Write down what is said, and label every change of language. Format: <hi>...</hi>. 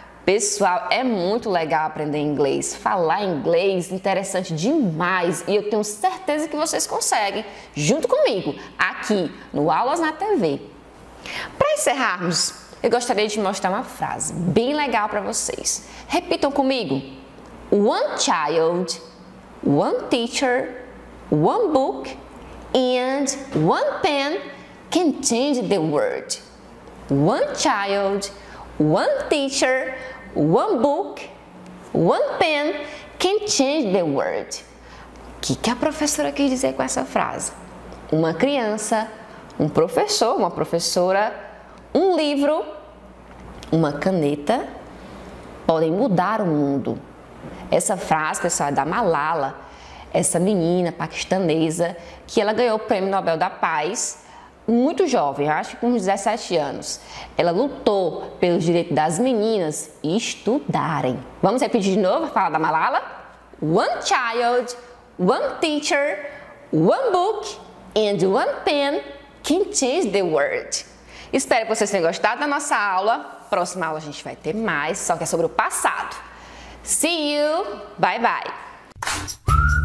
<pt>Pessoal, é muito legal aprender inglês. Falar inglês é interessante demais. E eu tenho certeza que vocês conseguem, junto comigo, aqui no Aulas na TV. Para encerrarmos, eu gostaria de mostrar uma frase bem legal para vocês. Repitam comigo.</pt> <en>One child, one teacher, one book, and one pen can change the world. One child, one teacher, one book, one pen can change the world.</en> <pt>O que a professora quis dizer com essa frase? Uma criança, um professor, uma professora, um livro, uma caneta podem mudar o mundo. Essa frase, pessoal, é da Malala, essa menina paquistanesa que ela ganhou o Prêmio Nobel da Paz muito jovem, acho que com 17 anos. Ela lutou pelos direitos das meninas estudarem. Vamos repetir de novo a fala da Malala?</pt> <en>One child, one teacher, one book and one pen can change the world.</en> <pt>Espero que vocês tenham gostado da nossa aula. Próxima aula a gente vai ter mais, só que é sobre o passado.</pt> <en>See you, bye bye.</en>